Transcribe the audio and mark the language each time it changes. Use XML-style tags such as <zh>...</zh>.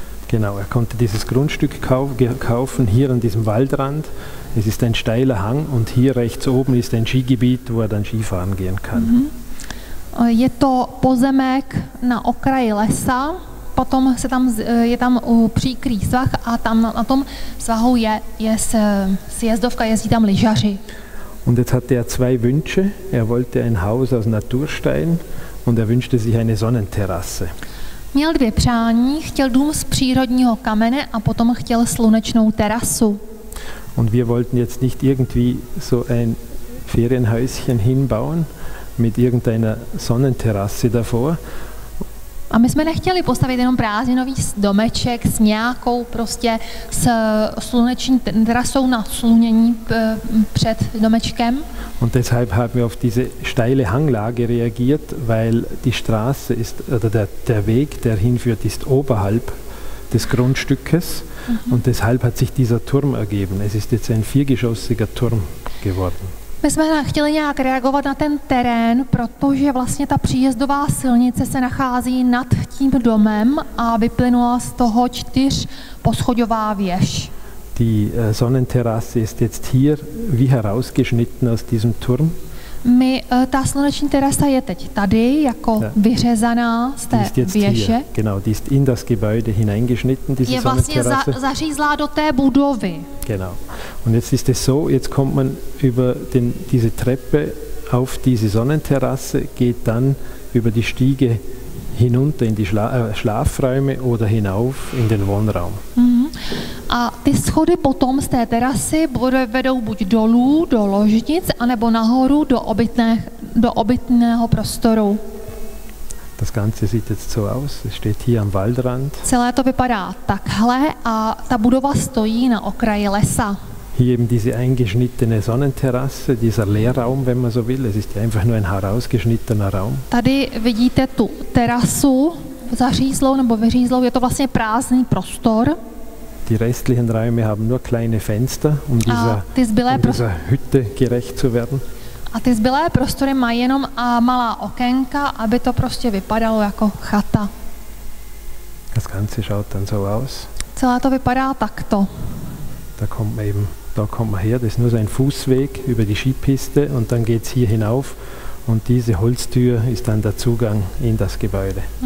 <de>Genau, er konnte dieses Grundstück kaufen hier an diesem Waldrand. Es ist ein steiler Hang und hier rechts oben ist ein Skigebiet, wo er dann Skifahren gehen kann.</de> <cs>Je to pozemek na okraji lesa, potom se tam je tam příkrý svah a tam na tom svahu je sjezdovka, jezdí tam lyžaři.</cs> <de>Und jetzt hatte er zwei Wünsche. Er wollte ein Haus aus Naturstein und er wünschte sich eine Sonnenterrasse.</de> <cs>Měl dvě přání, chtěl dům z přírodního kamene a potom chtěl slunečnou terasu.</cs> <de>Und wir wollten jetzt nicht irgendwie so ein Ferienhäuschen hinbauen mit irgendeiner Sonnenterrasse davor.</de> <cs>A my jsme nechtěli postavit jenom prázdninový domeček s nějakou prostě s sluneční terasou na slunění před domečkem.</cs> <de>Und deshalb haben wir auf diese steile Hanglage reagiert, weil die Straße ist oder der Weg, der hinführt, ist oberhalb des Grundstückes. Und deshalb hat sich dieser Turm ergeben. Es ist jetzt ein viergeschossiger Turm geworden.</de> <cs>My jsme chtěli nějak reagovat na ten terén, protože vlastně ta příjezdová silnice se nachází nad tím domem a vyplynula z toho 4-poschodová věž.</cs> <de>Die Sonnenterrasse ist jetzt hier wie herausgeschnitten aus diesem Turm.</de> <cs>Ta sluneční terasa je teď tady jako vyřezaná z té věže.</cs> <de>Genau, die ist in das Gebäude hineingeschnitten, diese Sonnenterrasse.</de> <cs>Je vlastně zařízlá do té budovy.</cs> <de>Genau. Und jetzt ist es so, jetzt kommt man über diese Treppe auf diese Sonnenterrasse, geht dann über die Stiege hinunter in die Schlafräume oder hinauf in den Wohnraum.</de> <cs>A ty schody potom z té terasy vedou buď dolů do ložnic, anebo nahoru do obytného prostoru.</cs> <de>Das Ganze sieht jetzt so aus. Es steht hier am Waldrand.</de> <cs>Celé to vypadá takhle a ta budova stojí na okraji lesa.</cs> <de>Hier eben diese eingeschnittene Sonnenterrasse, dieser Leerraum, wenn man so will. Es ist ja einfach nur ein herausgeschnittener Raum.</de> <cs>Tady vidíte tu terasu zařízlou nebo vyřízlou. Je to vlastně prázdný prostor.</cs> <de>Die restlichen Räume haben nur kleine Fenster, dieser Hütte gerecht zu werden.</de> <cs>A ty zbylé prostory mají jenom a malá okénka, aby to prostě vypadalo jako chata.</cs> <de>Das Ganze schaut dann so aus.</de> <cs>Celé to vypadá takto.</cs> <de>Da kommt man eben, da kommt man her, das ist nur so ein Fußweg über die Skipiste und dann geht's hier hinauf und diese Holztür ist dann der Zugang in das Gebäude.</de>